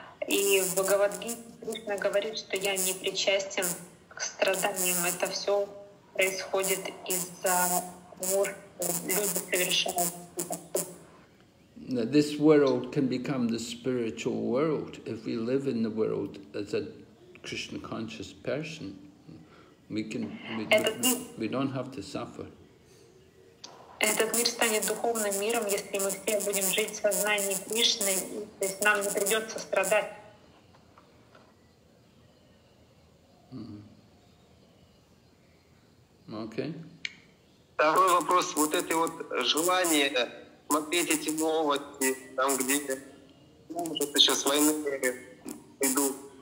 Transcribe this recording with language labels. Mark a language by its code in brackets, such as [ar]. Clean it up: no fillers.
[ru] И в Бхагавадгите Кришна говорит, что я не причастен к страданиям, это все происходит из-за того, что люди совершают [en] that this world can become the spiritual world. If we live in the world as a Krishna conscious person, we can, we don't have to suffer. [ru] Этот мир станет духовным миром, если мы все будем жить в сознании Кришны, то есть нам не придется страдать. Okay. Второй вопрос, вот это вот желание смотреть эти новости, там где сейчас войны идут.